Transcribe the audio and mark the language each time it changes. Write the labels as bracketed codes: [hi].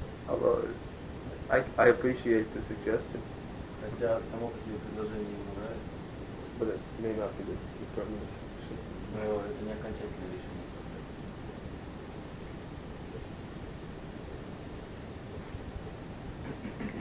[en] Although, I appreciate the suggestion. [ru] Хотя само по себе предложение ему нравится. [en] but it may not be the permanent solution. [ru] No, это не окончательное решение.